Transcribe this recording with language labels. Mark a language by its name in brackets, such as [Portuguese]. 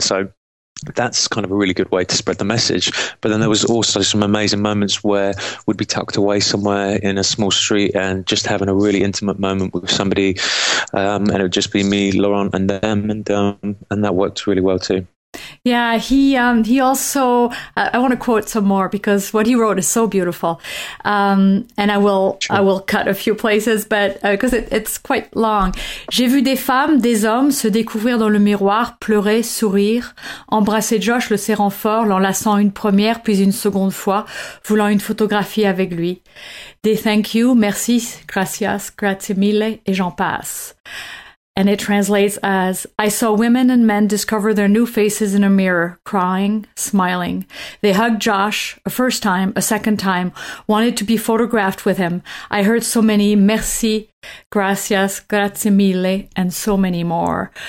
[English] So that's kind of a really good way to spread the message. But then there was also some amazing moments where we'd be tucked away somewhere in a small street and just having a really intimate moment with somebody, and it would just be me, Laurent, and them, and that worked really well too. Yeah, he also, I want to quote some more because what he wrote is so beautiful. And I Sure. will cut a few places, but because it's quite long. [French] J'ai vu des femmes, des hommes se découvrir dans le miroir, pleurer, sourire, embrasser Josh, le serrant fort, l'enlaçant une première, puis une seconde fois, voulant une photographie avec lui. Des [English] thank you, [French] merci, [Spanish] gracias, [Italian] grazie mille, [French] et j'en passe. [English] And it translates as, I saw women and men discover their new faces in a mirror, crying, smiling. They hugged Josh a first time, a second time, wanted to be photographed with him. I heard so many merci, [Spanish] gracias, [Italian] grazie mille, [English] and so many more.